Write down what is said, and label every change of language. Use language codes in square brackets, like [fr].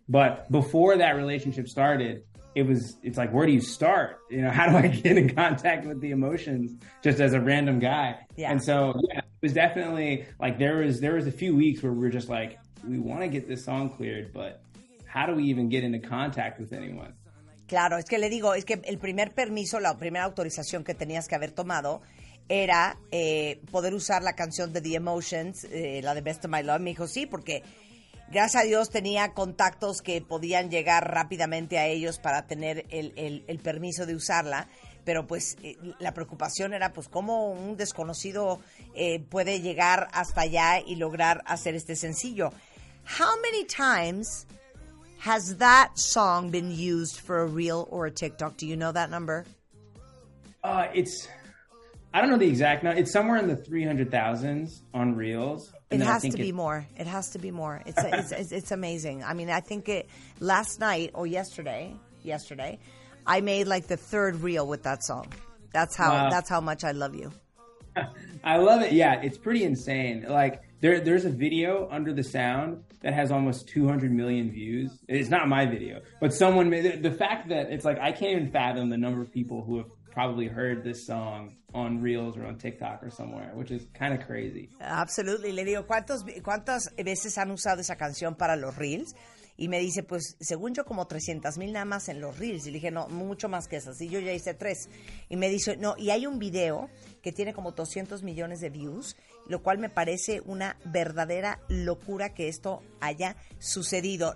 [en] But before that relationship started, it's like, where do you start? You know, how do I get in contact with The Emotions just as a random guy? Yeah. And so, yeah, it was definitely like there was a few weeks where we were just like, we want to get this song cleared, but how do we even get into contact with anyone? [es] Claro, es que le digo, es que el primer permiso, la primera autorización que tenías que haber tomado era poder usar la canción de The Emotions, la de Best of My Love. Me dijo, sí, porque gracias a Dios tenía contactos que podían llegar rápidamente a ellos para tener el permiso de usarla, pero pues la preocupación era pues cómo un desconocido puede llegar hasta allá y lograr hacer este sencillo. [en] How many times has that song been used for a reel or a TikTok? Do you know that number? I don't know the exact number. It's somewhere in the 300,000s on reels. It has to be more. It's amazing. I mean, I think yesterday, I made like the third reel with that song. That's how that's how much I love you. I love it. Yeah, it's pretty insane. Like there's a video under the sound that has almost 200 million views. It's not my video, but someone made the fact that it's like I can't even fathom the number of people who have probably heard this song on Reels or on TikTok or somewhere, which is kind of crazy. Absolutely. [es] Le digo, ¿cuántas veces han usado esa canción para los Reels? Y me dice, pues, según yo, como 300,000 nada más en los Reels. Y le dije, no, mucho más que esas. Y yo ya hice 3. Y me dice, no, y hay un video que tiene como 200 millones de views, lo cual me parece una verdadera locura que esto haya sucedido.